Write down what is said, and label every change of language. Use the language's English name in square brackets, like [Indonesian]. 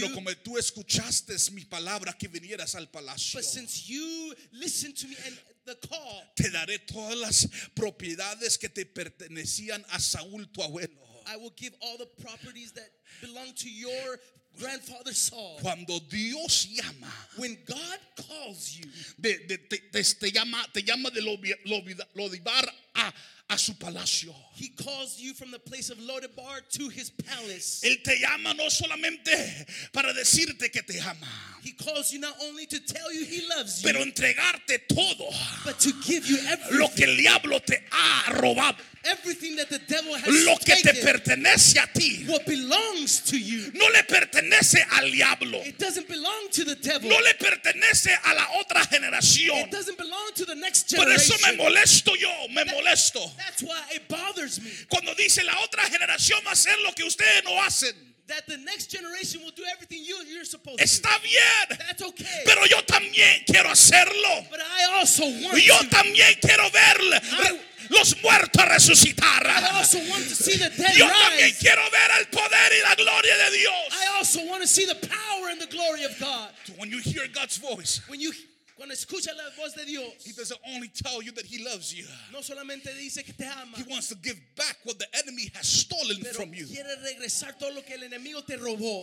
[Spanish] pero como tú escuchaste mi palabra que vinieras al palacio, [English] but since you listened to me and the call, [Spanish] te daré todas las propiedades que te pertenecían a Saúl tu abuelo. [English] I will give all the properties that belong to your grandfather Saul. [Spanish] Cuando Dios llama, [English] when God calls you, [Spanish] te llama de Lodibar a su palacio. [English] He calls you from the place of Lodibar to his palace. [Spanish] Él te llama no solamente para decirte que te ama. [English] He calls you not only to tell you he loves you, [Spanish] pero entregarte todo, [English] but to give you everything. [Spanish] Lo que el diablo te ha robado. [English] Everything that the devil has [Spanish] lo que [English] taken, [Spanish] te pertenece a ti, [English] what belongs to you, [Spanish] no le pertenece al diablo. [English] It doesn't belong to the devil. [Spanish] No le pertenece a la otra generación. [English] It doesn't belong to the next generation. [Spanish] Por eso me molesto yo, me molesto. [English] That's why it bothers me. [Spanish] Cuando dice la otra generación va a hacer lo que ustedes no hacen. [English] That the next generation will do everything you're supposed to. [Spanish] Está bien. [English] That's okay. [Spanish] Pero yo también quiero hacerlo. [English] But I also want [Spanish] yo Yo también quiero verle. Los muertos resucitar. [English] I also want to see the dead [Spanish] yo [English] rise. [Spanish] También quiero ver el poder y la gloria de Dios. [English] I also want to see the power and the glory of God. So when you hear God's voice, [Spanish] cuando escuchas la voz de Dios, [English] he doesn't only tell you that he loves you. [Spanish] No solamente dice que te ama. [English] He wants to give back what the enemy has stolen [Spanish] pero [English] from you. [Spanish] Quiere regresar todo lo que el enemigo te robó.